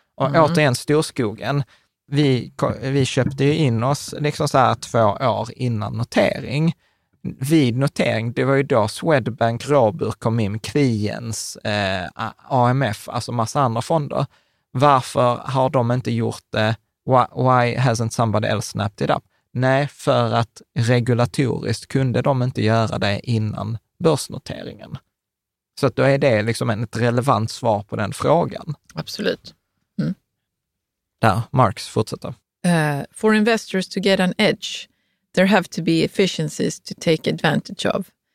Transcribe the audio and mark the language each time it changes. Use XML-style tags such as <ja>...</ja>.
<sv>Och återigen Storskogen, vi köpte ju in oss liksom så här 2 år innan notering. Vid notering, det var ju då Swedbank, Robur kom in, Kliens, AMF, alltså massa andra fonder. Varför har de inte gjort det?</sv> <en>Why hasn't somebody else snapped it up?</en> <sv>Nej, för att regulatoriskt kunde de inte göra det innan börsnoteringen. Så att då är det liksom ett relevant svar på den frågan. Absolut. Mm. Där, Marx, fortsätter.</sv> <en>For investors to get an edge, there have to be efficiencies to take advantage of.</en>